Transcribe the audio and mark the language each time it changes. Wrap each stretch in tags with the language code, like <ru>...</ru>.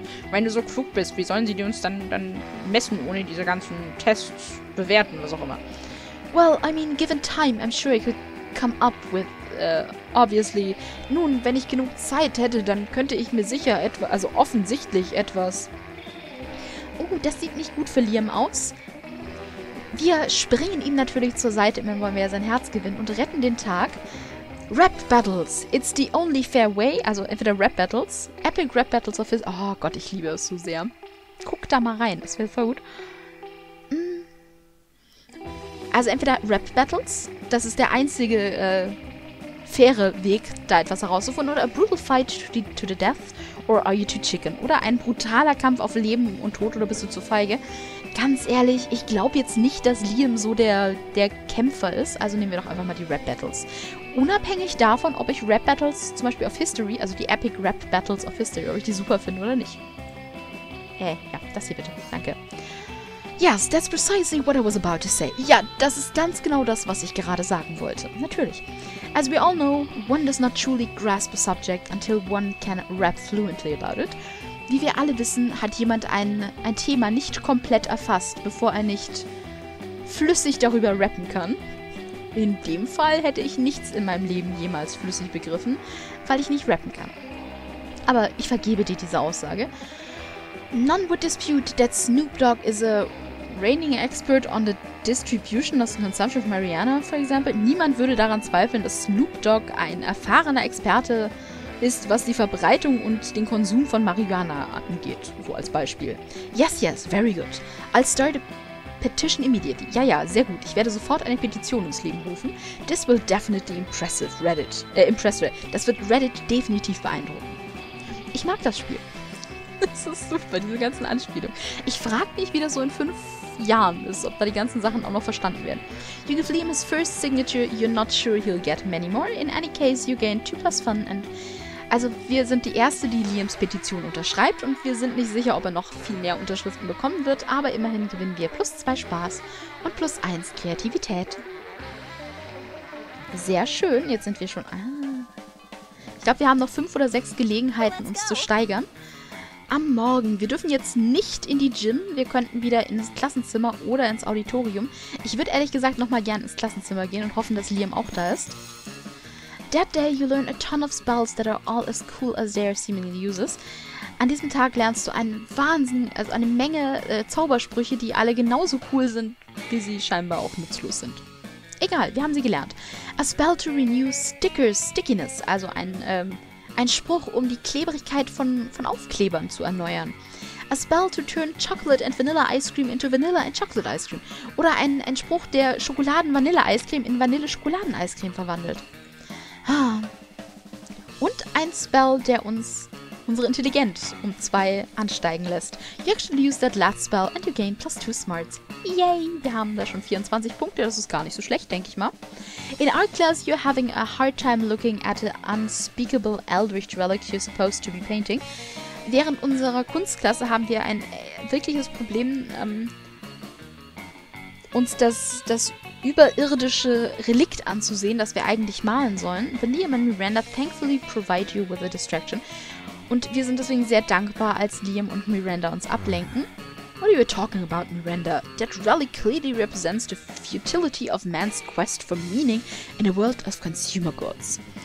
<de>Wenn du so klug bist, wie sollen sie uns dann messen, ohne diese ganzen Tests bewerten, was auch immer?</de> <en>Well, I mean, given time, I'm sure I could come up with... obviously.</en> <de>Nun, wenn ich genug Zeit hätte, dann könnte ich mir sicher etwas, also offensichtlich etwas. Oh, das sieht nicht gut für Liam aus. Wir springen ihm natürlich zur Seite, wenn wollen wir ja sein Herz gewinnen und retten den Tag.</de> <en>Rap Battles. It's the only fair way.</en> <de>Also entweder</de> <en>Rap Battles.</en> <de>Epic Rap Battles of his... Oh Gott, ich liebe es so sehr. Guck da mal rein. Das wäre voll gut. Also entweder Rap Battles. Das ist der einzige, faire Weg, da etwas herauszufinden. Oder</de> <en>a brutal fight to the death. Or are you too chicken?</en> <de>Oder ein brutaler Kampf auf Leben und Tod. Oder bist du zu feige? Ganz ehrlich, ich glaube jetzt nicht, dass Liam so der Kämpfer ist. Also nehmen wir doch einfach mal die Rap Battles. Unabhängig davon, ob ich Rap Battles zum Beispiel of History, also die Epic Rap Battles of History, ob ich die super finde oder nicht. Ja, das hier bitte. Danke.</de> <en>Yes, that's precisely what I was about to say.</en> <de>Ja, das ist ganz genau das, was ich gerade sagen wollte. Natürlich.</de> <en>As we all know, one does not truly grasp a subject until one can rap fluently about it.</en> <de>Wie wir alle wissen, hat jemand ein Thema nicht komplett erfasst, bevor er nicht flüssig darüber rappen kann. In dem Fall hätte ich nichts in meinem Leben jemals flüssig begriffen, weil ich nicht rappen kann. Aber ich vergebe dir diese Aussage.</de> <en>None would dispute that Snoop Dogg is a reigning expert on the distribution of the consumption of marijuana, for example.</en> <de>Niemand würde daran zweifeln, dass Snoop Dogg ein erfahrener Experte ist, was die Verbreitung und den Konsum von Marihuana angeht, so als Beispiel.</de> <en>Yes, yes, very good. I'll start a petition immediately.</en> <de>Ja, ja, sehr gut. Ich werde sofort eine Petition ins Leben rufen.</de> <en>This will definitely impress Reddit.</en> <de>Das wird Reddit definitiv beeindrucken. Ich mag das Spiel. Das ist super, diese ganzen Anspielungen. Ich frage mich, wie das so in 5 Jahren ist, ob da die ganzen Sachen auch noch verstanden werden.</de> <en>You give Liam his first signature, you're not sure he'll get many more. In any case, you gain 2+ fun and...</en> <de>Also, wir sind die Erste, die Liams Petition unterschreibt und wir sind nicht sicher, ob er noch viel mehr Unterschriften bekommen wird, aber immerhin gewinnen wir +2 Spaß und +1 Kreativität. Sehr schön, jetzt sind wir schon... Ah. Ich glaube, wir haben noch 5 oder 6 Gelegenheiten, uns zu steigern. Am Morgen. Wir dürfen jetzt nicht in die Gym. Wir könnten wieder ins Klassenzimmer oder ins Auditorium. Ich würde ehrlich gesagt nochmal gern ins Klassenzimmer gehen und hoffen, dass Liam auch da ist.</de> <en>That day you learn a ton of spells that are all as cool as they are seemingly useless.</en> <de>An diesem Tag lernst du einen Wahnsinn, also eine Menge Zaubersprüche, die alle genauso cool sind, wie sie scheinbar auch nutzlos sind. Egal, wir haben sie gelernt.</de> <en>A spell to renew stickers, stickiness,</en> <de>also ein Spruch, um die Klebrigkeit von Aufklebern zu erneuern.</de> <en>A spell to turn chocolate and vanilla ice cream into vanilla and chocolate ice cream.</en> <de>Oder ein Spruch, der Schokoladen-Vanille-Eiscreme in Vanille-Schokoladen-Eiscreme verwandelt. Und ein Spell, der unsere Intelligenz um 2 ansteigen lässt.</de> <en>You actually use that last spell and you gain +2 smarts.</en> <de>Yay, wir haben da schon 24 Punkte, das ist gar nicht so schlecht, denke ich mal.</de> <en>In our class you're having a hard time looking at an unspeakable eldritch relic you're supposed to be painting.</en> <de>Während unserer Kunstklasse haben wir ein wirkliches Problem, uns das überirdische Relikt anzusehen, das wir eigentlich malen sollen.</de> <en>Liam and Miranda thankfully provide you with a distraction.</en> <de>Und wir sind deswegen sehr dankbar, als Liam und Miranda uns ablenken.</de> <en>What are you talking about, Miranda? That relic clearly represents the futility of man's quest for meaning in a world of consumer goods.</en>